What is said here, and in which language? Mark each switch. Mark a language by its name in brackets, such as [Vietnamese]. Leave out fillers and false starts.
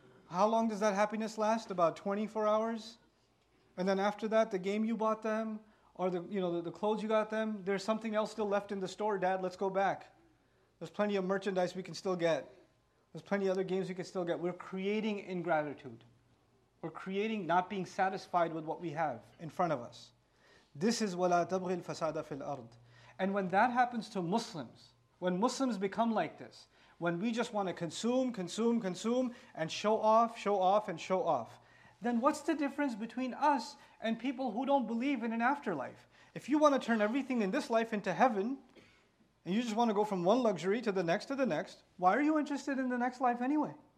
[English] How long does that happiness last? About 24 hours? And then after that, the game you bought them, or the clothes you got them, there's something else still left in the store, Dad, let's go back. There's plenty of merchandise we can still get. There's plenty of other games we can still get. We're creating ingratitude. We're creating not being satisfied with what we have in front of us. This is [Arabic] وَلَا تَبْغِي الْفَسَادَ فِي الْأَرْضِ. [English] And when that happens to Muslims, when Muslims become like this, when we just want to consume, and show off, then what's the difference between us and people who don't believe in an afterlife? If you want to turn everything in this life into heaven, and you just want to go from one luxury to the next, why are you interested in the next life anyway?